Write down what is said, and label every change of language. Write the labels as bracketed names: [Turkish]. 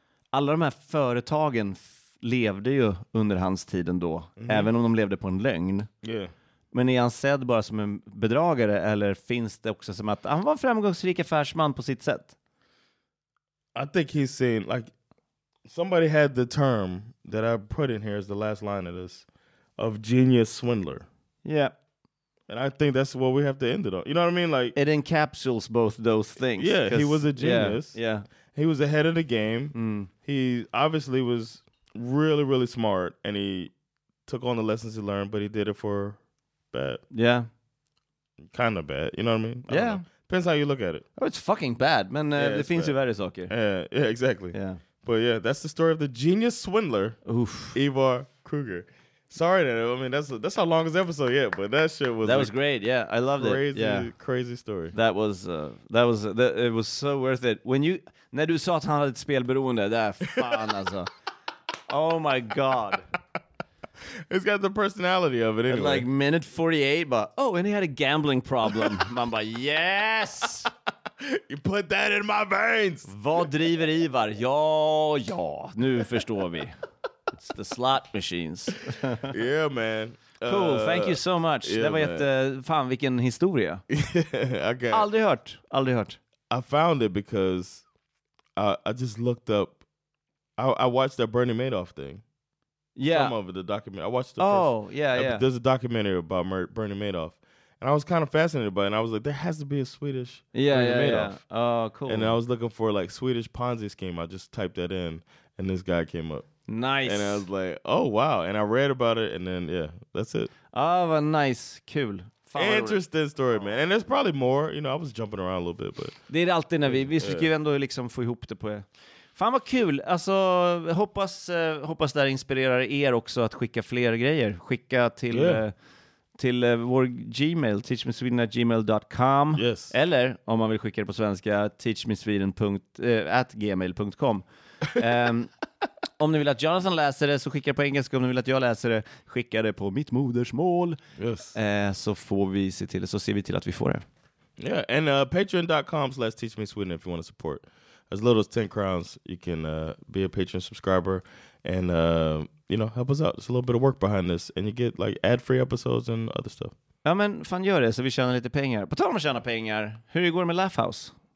[Swedish] Alla de här företagen levde ju under hans tiden då, även om de levde på en lögn. [English] Yeah. [Swedish] Men är han sedd bara som en bedragare eller finns det också som att han var en framgångsrik affärsman på sitt sätt? [English] I think he's saying, like, somebody had the term that I put in here as the last line of this, of genius swindler. Yeah. And I think that's what we have to end it on. You know what I mean? Like, it encapsulates both those things. Yeah, he was a genius. Yeah. He was ahead of the game. Mm. He obviously was really, really smart, and he took on the lessons he learned, but he did it for bad. Yeah. Kind of bad. You know what I mean? Yeah. Depends how you look at it. Oh, it's fucking bad, man. It seems very sucky. Yeah, exactly. Yeah. But yeah, that's the story of the genius swindler, oof, Ivar Kreuger. Sorry, that, I mean, that's our longest episode yet, but that shit was... That was great, yeah. I loved crazy, yeah. Crazy story. It was so worth it. [Swedish] När du sa att han hade ett spelberoende, där, fan alltså. [English] Oh my god. It's got the personality of it anyway. At like minute 48, but and he had a gambling problem. [Swedish] Man bara, yes! [English] You put that in my veins! [Swedish] Vad driver Ivar? Ja, nu förstår vi. [English] It's the slot machines. Yeah, man. Cool. Thank you so much. Yeah, [Swedish] det var fan vilken historia. [English] Yeah, okay. [Swedish] Aldrig hört. [English] I found it because I just looked up. I watched that Bernie Madoff thing. Yeah. Some of it, the documentary. I watched the There's a documentary about Bernie Madoff. And I was kind of fascinated by it. And I was like, there has to be a Swedish Bernie Madoff. Oh, cool. And I was looking for like Swedish Ponzi scheme. I just typed that in and this guy came up. Nice. And I was like, oh wow. And I read about it and then that's it. Oh, but nice. Cool. Interesting story, man. And there's probably more. You know, I was jumping around a little bit, but [Swedish] det är alltid när vi försöker ändå liksom få ihop det på. Fan vad kul. Alltså hoppas det här inspirerar er också att skicka fler grejer. Skicka till till vår Gmail, teachmesweden@gmail.com. [English] Yes. [Swedish] Eller om man vill skicka det på svenska, teachmesweden@gmail.com. Om ni vill att Jonathan läser det så skicka det på engelska. Om ni vill att jag läser det, skicka det på mitt modersmål. Yes. Så får vi se till det. Så ser vi till att vi får det. [English] Yeah, and patreon.com/teachmesweden if you want to support. As little as 10 crowns, you can be a Patreon subscriber and, help us out. It's a little bit of work behind this. And you get, like, ad-free episodes and other stuff. [Swedish] Ja, men fan gör det så vi tjänar lite pengar. På tal om att tjäna pengar, hur går det med Laugh House?